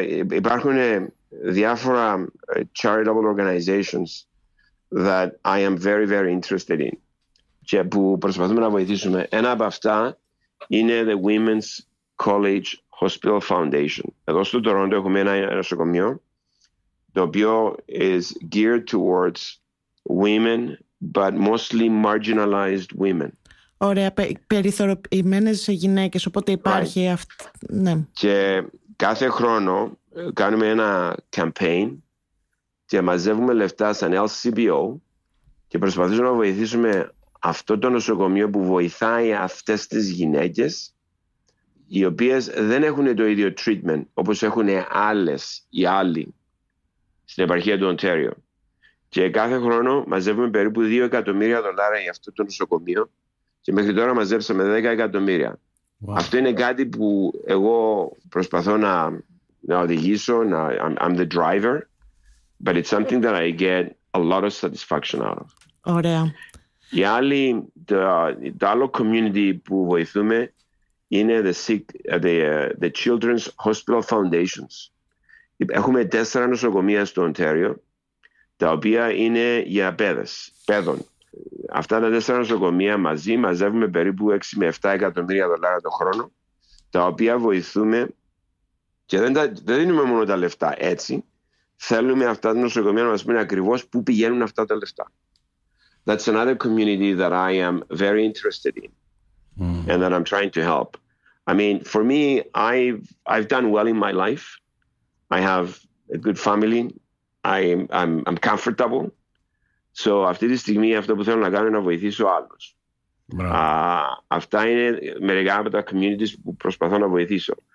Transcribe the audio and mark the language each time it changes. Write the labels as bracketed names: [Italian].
[Greek] Υπάρχουν διάφορα [English] charitable organizations that I am very, very interested in [Greek] και που προσπαθούμε να βοηθήσουμε. Ένα από αυτά είναι the Women's College Hospital Foundation. Εδώ στο Τορόντο έχουμε ένα νοσοκομείο το οποίο [English] is geared towards women, but mostly marginalized women. [Greek] Ωραία, περιθωριοποιημένες γυναίκες, οπότε υπάρχει right. αυτό. Ναι. Και κάθε χρόνο κάνουμε ένα campaign και μαζεύουμε λεφτά σαν LCBO και προσπαθήσουμε να βοηθήσουμε αυτό το νοσοκομείο που βοηθάει αυτές τις γυναίκες, οι οποίες δεν έχουν το ίδιο treatment όπως έχουν οι άλλοι στην επαρχία του Οντάριο. Και κάθε χρόνο μαζεύουμε περίπου 2 εκατομμύρια δολάρια για αυτό το νοσοκομείο και μέχρι τώρα μαζέψαμε 10 εκατομμύρια. Wow. Αυτό είναι κάτι που εγώ προσπαθώ να οδηγήσω, [English] I'm the driver, but it's something that I get a lot of satisfaction out of. [Greek] Ωραία. Η άλλη, το άλλο community που βοηθούμε είναι the Children's Hospital Foundations. Έχουμε 4 νοσοκομεία στο Ontario, τα οποία είναι για παιδών. Αυτά τα 4 νοσοκομεία μαζί μαζεύουμε περίπου 6 με 7 εκατομμύρια δολάρια το χρόνο, τα οποία βοηθούμε, και δεν δίνουμε μόνο τα λεφτά έτσι. Θέλουμε αυτά τα νοσοκομεία να μας πούνε ακριβώς πού πηγαίνουν αυτά τα λεφτά. [English] That's another community that I am very interested in and that I'm trying to help. I mean, for me, I've done well in my life. I have a good family. I'm comfortable. [Greek] So αυτή τη στιγμή αυτό που θέλω να κάνω είναι να βοηθήσω άλλους. Αυτά είναι μερικά από τα communities που προσπαθώ να βοηθήσω.